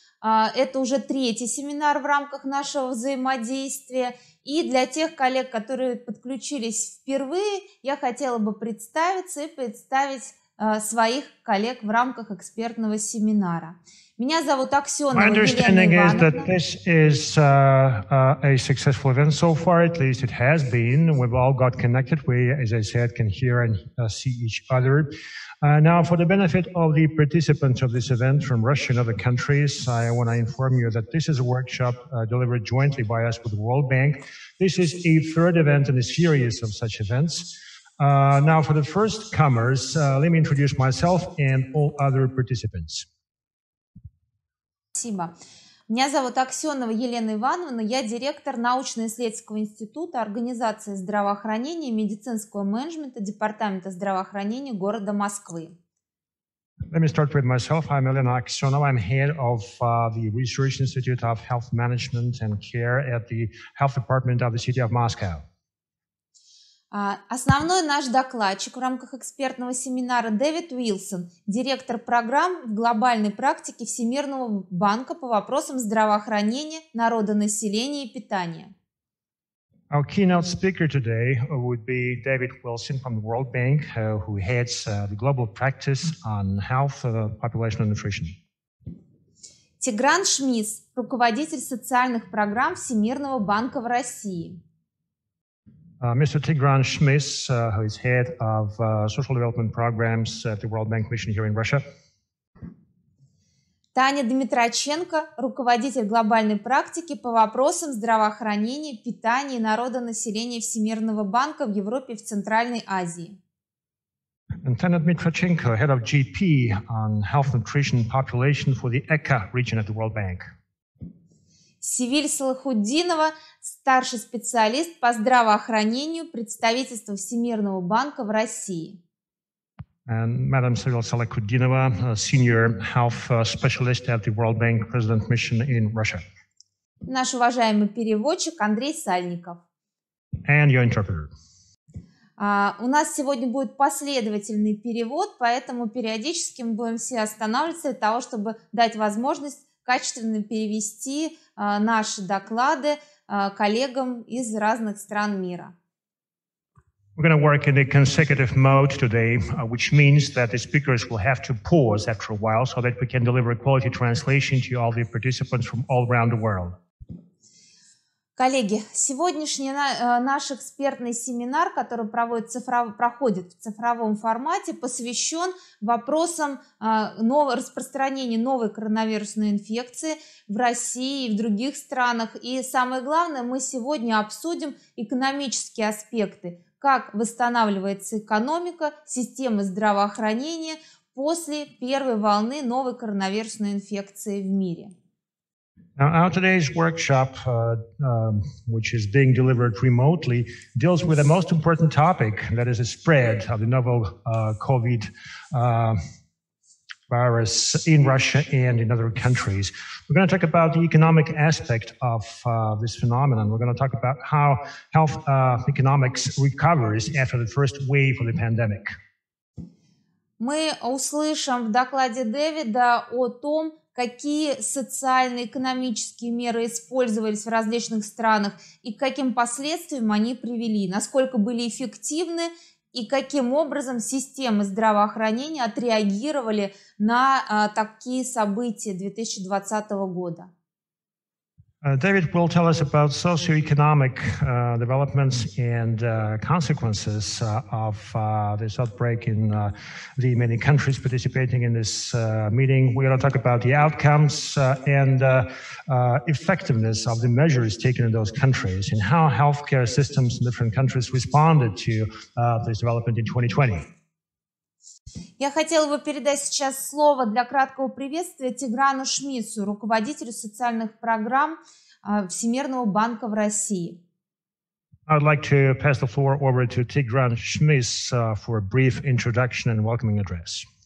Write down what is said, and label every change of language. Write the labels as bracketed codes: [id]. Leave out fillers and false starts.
[ru] Это уже третий семинар в рамках нашего взаимодействия. И для тех коллег, которые подключились впервые, я хотела бы представиться и представить своих коллег в рамках экспертного семинара. Меня зовут Аксенова Елена Ивановна. [en] This is a successful event so far, at least it has been. We've all got connected. We, as I said, can hear and see each other. Now, for the benefit of the participants of this event from Russia and other countries, I want to inform you that this is a workshop delivered jointly by us with the World Bank. This is a third event in a series of such events. Now, for the first comers, let me introduce myself and all other participants. [ru] Спасибо. Меня зовут Аксенова Елена Ивановна, я директор научно-исследовательского института Организации здравоохранения и медицинского менеджмента Департамента здравоохранения города Москвы. [en] Let me start with myself. I'm Elena Aksyonova. I'm head of the Research Institute of Health Management and Care at the Health Department of the City of Moscow. [ru] Основной наш докладчик в рамках экспертного семинара Дэвид Уилсон, директор программ в глобальной практике Всемирного банка по вопросам здравоохранения, народонаселения и питания. [en] Our keynote speaker today would be David Wilson from the World Bank, who heads the global practice on health, population and nutrition. [ru] Тигран Шмис, руководитель социальных программ Всемирного банка в России. [en] Mr. Tigran Shmis, who is head of social development programs at the World Bank Mission here in Russia. [ru] Таня Дмитраченко, руководитель глобальной практики по вопросам здравоохранения, питания и народонаселения Всемирного банка в Европе и в Центральной Азии. [en] And Таня Дмитраченко, head of GP on health, nutrition, population for the ECHA region at the World Bank. [ru] Севиль Салахуддинова, старший специалист по здравоохранению представительства Всемирного банка в России. [en] And Madam Севиль Салахуддинова, senior health specialist at the World Bank President Mission in Russia. [ru] Наш уважаемый переводчик Андрей Сальников. [en] And your interpreter. [ru] У нас сегодня будет последовательный перевод, поэтому периодически мы будем все останавливаться для того, чтобы дать возможность качественно перевести наши доклады коллегам из разных стран мира. [en] We're going to work in a consecutive mode today, which means that the speakers will have to pause after a while so that we can deliver quality translation to all the participants from all around the world. [ru] Коллеги, сегодняшний наш экспертный семинар, который проходит в цифровом формате, посвящен вопросам распространения новой коронавирусной инфекции в России и в других странах. И самое главное, мы сегодня обсудим экономические аспекты, как восстанавливается экономика, системы здравоохранения после первой волны новой коронавирусной инфекции в мире. [en] Now, our today's workshop, which is being delivered remotely, deals with the most important topic, that is the spread of the novel COVID virus in Russia and in other countries. We're going to talk about the economic aspect of this phenomenon. We're going to talk about how health economics recovers after the first wave of the pandemic. [ru] Мы услышим в докладе Дэвида о том, какие социально-экономические меры использовались в различных странах и к каким последствиям они привели, насколько были эффективны и каким образом системы здравоохранения отреагировали на такие события 2020 года. [en] David will tell us about socio-economic developments and consequences of this outbreak in the many countries participating in this meeting. We're going to talk about the outcomes and effectiveness of the measures taken in those countries and how healthcare systems in different countries responded to this development in 2020. [ru] Я хотела бы передать сейчас слово для краткого приветствия Тиграну Шмису, руководителю социальных программ Всемирного банка в России. [en] I'd like to pass the floor over to Tigran Shmis for a brief introduction and welcoming address.